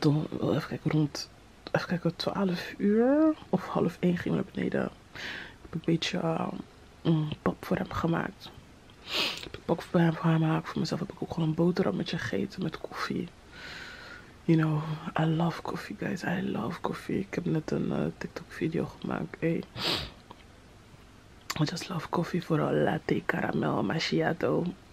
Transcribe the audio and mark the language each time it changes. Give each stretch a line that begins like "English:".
Dutch: Toen, even kijken, 12:00 of 12:30 ging naar beneden. Ik heb een beetje pap voor hem gemaakt. Ik heb een pak voor hem gemaakt. Voor mezelf heb ik ook gewoon een boterhammetje gegeten met koffie.
English: You know, I love coffee, guys. I love coffee.
Dutch: Ik heb net een TikTok video gemaakt. Hey.
English: I just love coffee,
Dutch: vooral latte, caramel, macchiato.